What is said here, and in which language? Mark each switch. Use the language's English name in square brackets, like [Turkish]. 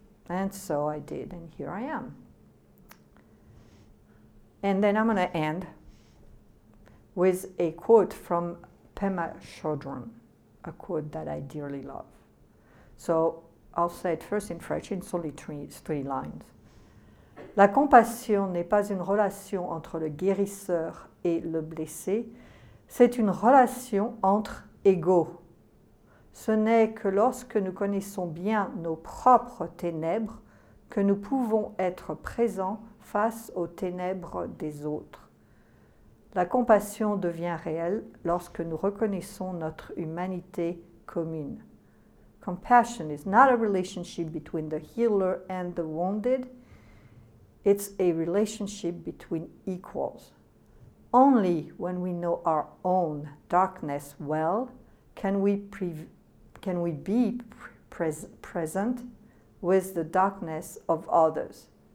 [English] And so I did, and here I am. And then I'm going to end with a quote from Pema Chodron, a quote that I dearly love. So I'll say it first in French, it's only three lines. [French] La compassion n'est pas une relation entre le guérisseur et le blessé, c'est une relation entre égaux. Ce n'est que lorsque nous connaissons bien nos propres ténèbres que nous pouvons être présents face aux ténèbres des autres. La compassion devient réelle lorsque nous reconnaissons notre humanité commune. [English] Compassion is not a relationship between the healer and the wounded. It's a relationship between equals. Only when we know our own darkness well can we be present with the darkness of others.